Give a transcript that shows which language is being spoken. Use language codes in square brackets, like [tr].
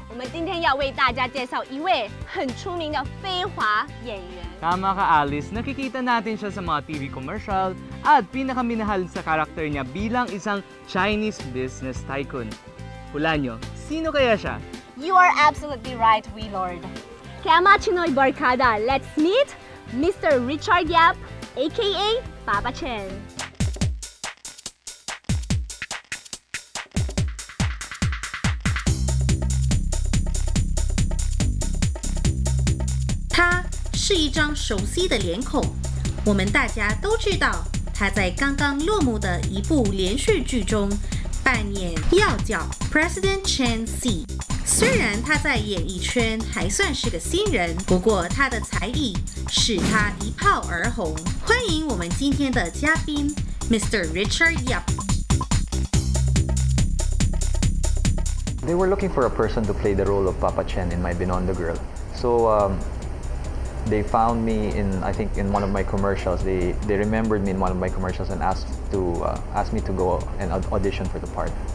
[zh] 我们今天要为大家介绍一位很出名的飞华演员。 [tl] Tama ka Alice, nakikita natin siya sa mga TV commercial at pinakaminahal sa karakter niya bilang isang [en] Chinese business tycoon. [tl] Hula nyo, sino kaya siya? [en] You are absolutely right, we lord. [tl] Kaya mga Chinoy Barkada, [en] let's meet Mr. Richard Yap, aka Papa Chen. [zh] 是一张熟悉的脸孔，我们大家都知道他在刚刚落幕的一部连续剧中扮演要角 President Chen Xi。虽然他在演艺圈还算是个新人，不过他的才艺使他一炮而红。欢迎我们今天的嘉宾 Mr. Richard Yap。 [en] They were looking for a person to play the role of Papa Chen in my Beyond the Girl, so they found me in one of my commercials. They remembered me in one of my commercials and asked me to go and audition for the part.